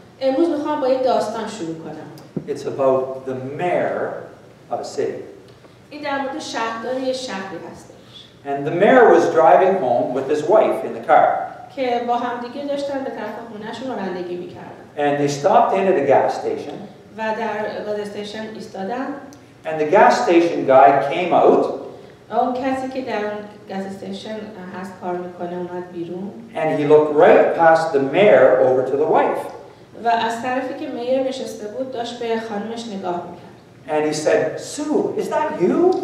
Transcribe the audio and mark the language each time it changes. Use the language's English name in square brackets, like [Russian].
[Persian] امروز میخوام با یه داستان شروع کنم. [English] It's about the mayor of a city. [Persian] این در مورد شهرداری شهری هستش. [English] And the mayor was driving home with his wife in the car. [Persian] که با هم دیگه داشتن به طرف خونه‌شون رانندگی می‌کردن. [English] And they stopped in at a gas station. [Persian] و در گاز استیشن ایستادن. [English] And the gas station guy came out. [Persian] اون کسی که در گاز استیشن هست کار می‌کنه اومد بیرون. [English] And he looked right past the mayor over to the wife. [Persian] و از طرفی که مایر نشسته بود داشت به خانمش نگاه می‌کرد. [English] And he said, Sue, is that you?